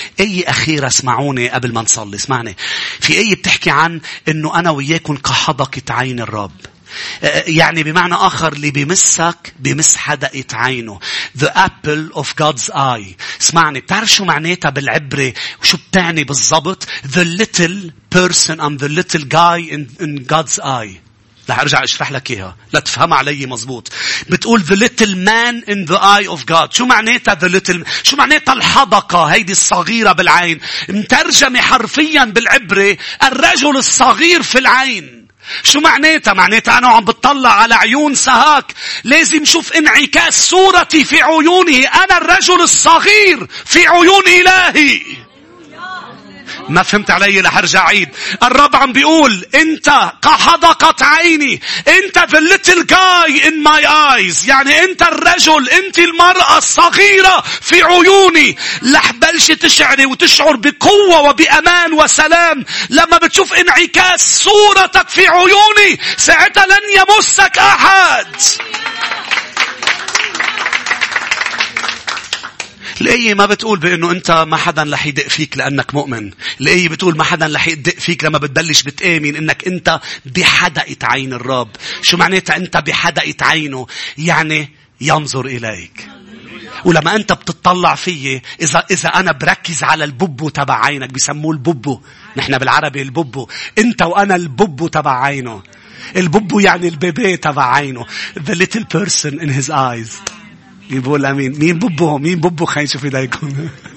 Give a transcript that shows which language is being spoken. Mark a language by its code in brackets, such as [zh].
[ar] أي أخيرة اسمعوني قبل ما نصلي اسمعني. في أي بتحكي عن إنه أنا وياكم كحدقة عين الرب. يعني بمعنى آخر اللي بيمسك بيمس حدقة عينه. [en] The apple of God's eye. [ar] اسمعني بتعرف شو معناتها بالعبري وشو بتعني بالضبط. [en] The little person and the little guy in God's eye. [ar] رح ارجع اشرح لك اياها لا تفهم علي مزبوط. بتقول [en] the little man in the eye of God. [ar] شو معناتها [en] the little [ar] شو معناتها الحدقة هيدي الصغيرة بالعين. مترجمة حرفيا بالعبري الرجل الصغير في العين. شو معناتها؟ معناتها أنا عم بتطلع على عيون سهاك لازم شوف انعكاس صورتي في عيوني. أنا الرجل الصغير في عيون إلهي. ما فهمت علي لحرجع عيد. الرب عم بيقول أنت كحدقة عيني. أنت [en] the little guy in my eyes. [ar] يعني أنت الرجل أنت المرأة الصغيرة في عيوني. لح بلش تشعري وتشعر بقوة وبأمان وسلام لما بتشوف انعكاس صورتك في عيوني. ساعتها لن يمسك أحد. الآية ما بتقول بأنه أنت ما حدا لح يدق فيك لأنك مؤمن. الآية بتقول ما حدا لح يدق فيك لما بتبلش بتآمن أنك أنت بحدقة عين الرب. شو معناتها أنت بحدقة عينه؟ يعني ينظر إليك. ولما أنت بتطلع فيه, إذا أنا بركز على الببو تبع عينك, بيسموه الببو, نحن بالعربي الببو, أنت وأنا الببو تبع عينه. الببو يعني البيبي تبع عينه. [en] The little person in his eyes. [ar] يقول أمين. مين ببو؟ مين ببو؟ خلينا نشوف إذا يكون.